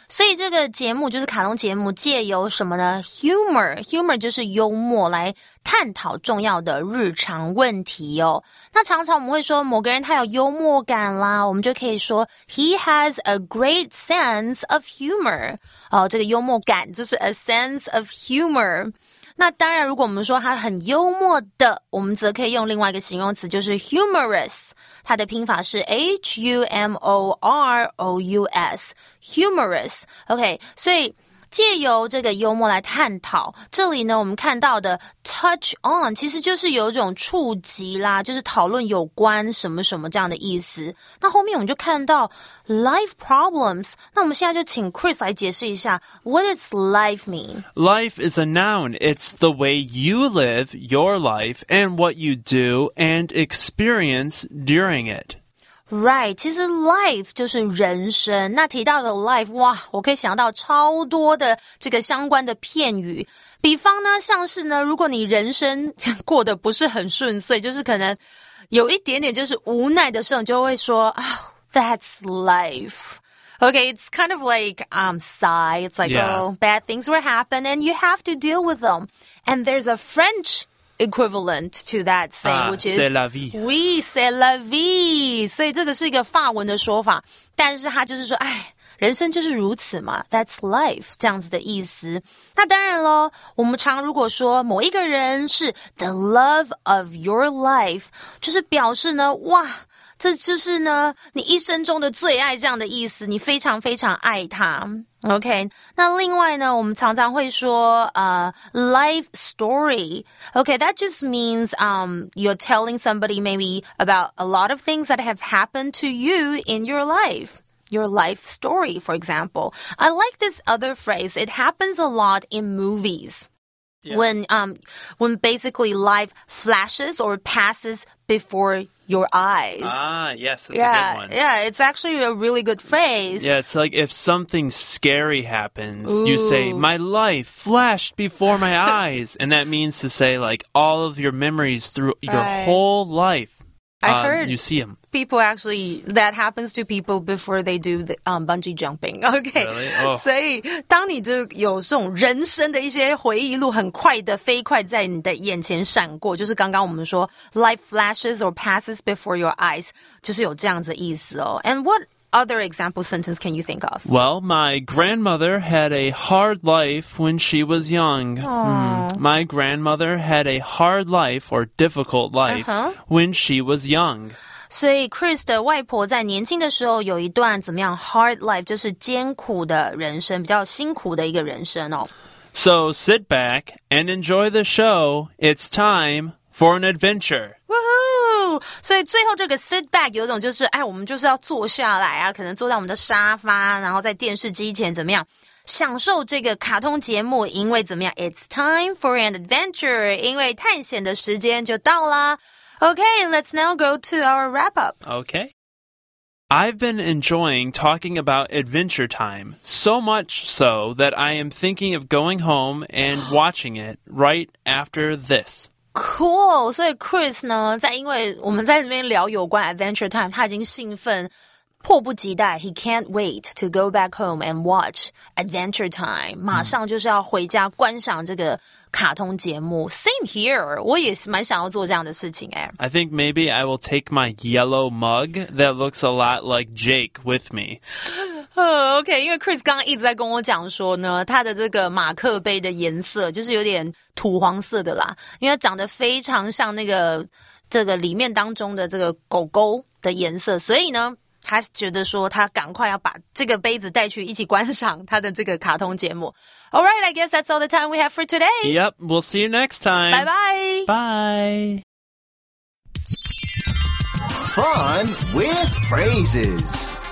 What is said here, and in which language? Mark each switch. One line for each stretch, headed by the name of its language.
Chinese: 所以这个节目就是卡通节目，借由什么呢？Humor, humor 就是幽默，来探讨重要的日常问题哦。那常常我们会说某个人他有幽默感啦，我们就可以说
English: He has a great sense of humor。
Chinese: 哦，这个幽默感就是 a sense of humor。那当然如果我们说他很幽默的，我们则可以用另外一个形容词，就是 humorous。它的拼法是 H-U-M-O-R-O-U-S humorous。 OK， 所以借由这个幽默来探讨，这里呢我们看到的 touch on 其实就是有一种触及啦，就是讨论有关什么什么这样的意思。那后面我们就看到 life problems， 那我们现在就请 Chris 来解释一下
English: what does life mean? Life is a noun. It's the way you live your life and what you do and experience during it.
Chinese: Right, 其实 life 就是人生。那提到了 life, 哇，我可以想到超多的这个相关的片语。比方呢，像是呢，如果你人生过得不是很顺遂，就是可能有一点点就是无奈的时候，你就会说、
English: oh, That's life. Okay, it's kind of like sigh. It's like,、yeah. oh, bad things will happen and you have to deal with them. And there's a French equivalent to that saying, which is
French: C'est la vie. Oui, c'est la vie.
Chinese: 所以这个是一个法文的说法，但是它就是说哎，人生就是如此嘛，
English: That's life,
Chinese: 这样子的意思。那当然咯，我们常如果说某一个人是 The love of your life, 就是表示呢，哇，这就是呢你一生中的最爱，这样的意思，你非常非常爱他。 OK, 那另外呢我们常常会说life story.
English: OK, that just means you're telling somebody maybe about a lot of things that have happened to you in your life. Your life story, for example. I like this other phrase. It happens a lot in movies. Yeah. When basically life flashes or passes before your eyes. Ah, yes, that's yeah, a good one. Yeah, it's actually a really good phrase. Yeah, it's like if something scary happens,、Ooh. You say, my life flashed before my eyes. And that means to say like all of your memories through、 right. your whole life,、 I heard you see them. People actually, that happens to people before they do the, bungee jumping. Okay. Really?、Oh.
Chinese: 所以当你就有这种人生的一些回忆录很快的飞快在你的眼前闪过，就是刚刚我们说
English: life flashes or passes before your eyes,
Chinese: 就是有这样子的意思哦。
English: And what other example sentence can you think of? Well, my grandmother had a hard life when she was young.、My grandmother had a hard life or difficult life、 uh-huh. when she was young.
Chinese: 所以 Chris 的外婆在年轻的时候有一段怎么样 hard life, 就是艰苦的人生，比较辛苦的一个人生哦。
English: So sit back and enjoy the show. It's time for an adventure. Woohoo!
Chinese: 所以最后这个 sit back 有一种就是哎，我们就是要坐下来啊，可能坐在我们的沙发，然后在电视机前怎么样享受这个卡通节目，因为怎么样
English: it's time for an adventure,
Chinese: 因为探险的时间就到啦。
English: Okay, let's now go to our wrap-up. Okay. I've been enjoying talking about Adventure Time, so much so that I am thinking of going home and watching it right after this. Cool!
Chinese: 所以 Chris 呢，在因为我们在这边聊有关 Adventure Time, 他已经兴奋迫不及待
English: He can't wait to go back home and watch Adventure Time.
Chinese: 马上就是要回家观赏这个卡通节目
English: Same here.
Chinese: 我也蛮想要做这样的事情、欸、
English: I think maybe I will take my yellow mug that looks a lot like Jake with me.
Chinese: OK, 因为 Chris 刚刚一直在跟我讲说呢，他的这个马克杯的颜色就是有点土黄色的啦，因为他长得非常像那个这个里面当中的这个狗狗的颜色，所以呢他觉得说他赶快要把这个杯子带去一起观赏他的这个卡通节目。
English: Alright, I guess that's all the time we have for today. Yep, we'll see you next time. Bye-bye. Bye. Fun with phrases.